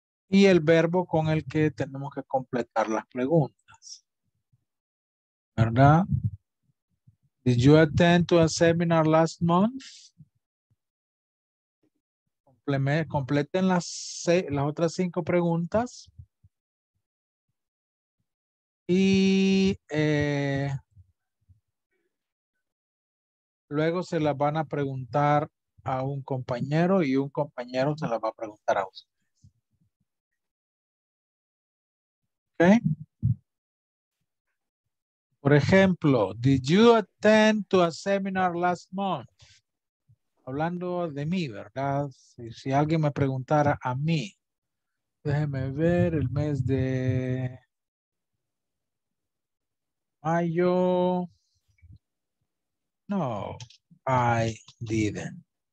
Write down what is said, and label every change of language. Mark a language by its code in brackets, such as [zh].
[es] Y el verbo con el que tenemos que completar las preguntas. ¿Verdad? [en] Did you attend to a seminar last month? [es] Completen las otras cinco preguntas. Y luego se las van a preguntar a un compañero y un compañero se las va a preguntar a ustedes. ¿Ok? Por ejemplo, [en] did you attend to a seminar last month? [es] Hablando de mí, ¿verdad? Si alguien me preguntara a mí, déjeme ver el mes de mayo. [en] No, I didn't.